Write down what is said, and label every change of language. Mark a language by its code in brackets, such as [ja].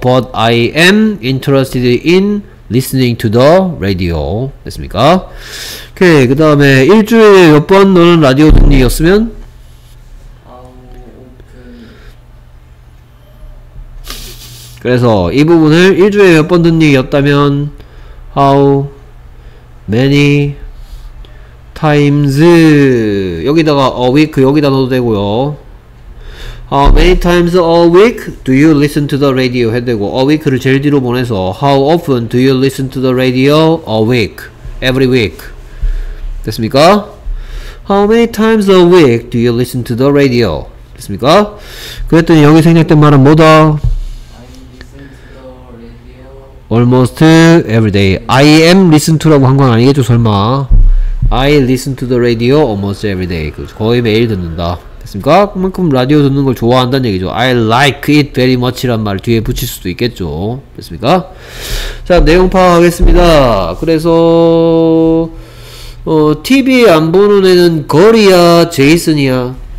[en] But I am interested in listening to the radio. [ko] 됐습니까? 오케이. 그 다음에 일주일에 몇 번 너는 라디오 듣니였으면? [en] How often? [ko] 그래서 이 부분을 일주일에 몇 번 듣니였다면 [en] How many times [ko] 여기다가 a week 여기다 넣어도 되고요. [en] How many times a week do you listen to the radio [ko] 해도 되고 [en] a week를 [ko] 제일 뒤로 보내서 [en] How often do you listen to the radio a week every week [ko] 됐습니까? [en] How many times a week do you listen to the radio [ko] 됐습니까? 그랬더니 여기 생략된 말은 뭐다? [en] almost every day. I am listen to [ko] 라고 한 건 아니겠죠, 설마. [en] I listen to the radio almost every day. [ko] 거의 매일 듣는다. 됐습니까? 그만큼 라디오 듣는 걸 좋아한다는 얘기죠. [en] I like it very much [ko] 란 말 뒤에 붙일 수도 있겠죠. 됐습니까? 자, 내용 파악하겠습니다. 그래서, TV 안 보는 애는 거리야, 제이슨이야?